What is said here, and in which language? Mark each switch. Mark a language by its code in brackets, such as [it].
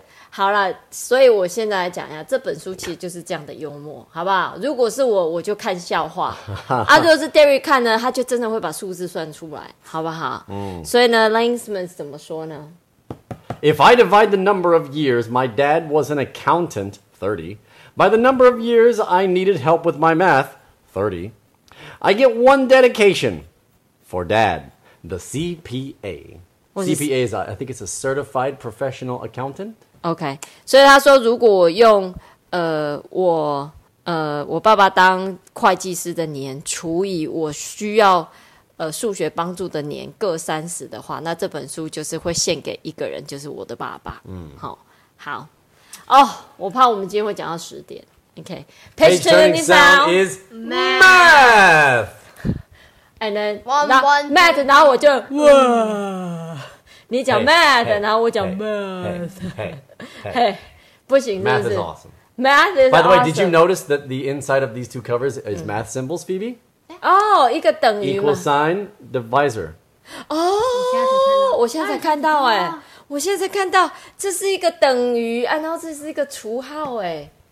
[zh] 好啦，所以我现在来讲一下，这本书其实就是这样的幽默，好不好？如果是我，我就看笑话。啊，如果是 Derry 看呢，他就真的会把数字算出来，好不好？所以呢 ，Langsman 怎么说呢 [en] ？If I divide the number of years my dad was an accountant, 30, by the number of years I needed help with my math, 30, I get one dedication for dad, the CPA. CPA is, I think it's a certified professional accountant. [zh] OK, 所以他说如果我用我爸爸当会计师的年除以我需要数学帮助的年各30的话，那这本书就是会献给一个人，就是我的爸爸。好。我怕我们今天会讲到10点。 [en] OK, page turning sound is math! And then, math, [zh] 然后我就哇。你讲 math, [en] hey, [zh] 然后我讲 math. Hey, 不行 [en] Math is awesome. Math is awesome. By the way, awesome. Did you notice that the inside of these two covers is math symbols, Phoebe? [zh] Oh, 一个等于 [en] Equal sign, divisor. [zh] Oh, 我现在看到哎，我现在看到这是一个等于，然后这是一个除号哎。